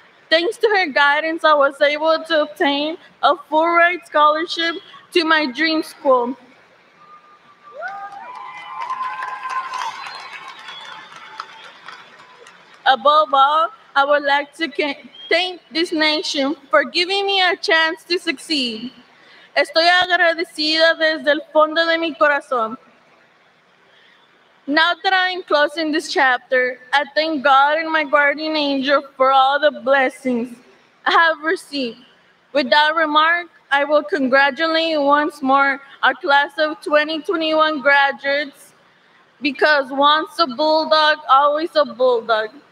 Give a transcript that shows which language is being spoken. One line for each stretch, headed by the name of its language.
English: Thanks to her guidance, I was able to obtain a full-right scholarship to my dream school. Above all, I would like to thank this nation for giving me a chance to succeed.
Spanish: Estoy agradecida desde el fondo de mi corazón.
English: Now that I am closing this chapter, I thank God and my guardian angel for all the blessings I have received. With that remark, I will congratulate once more our class of 2021 graduates, because once a bulldog, always a bulldog.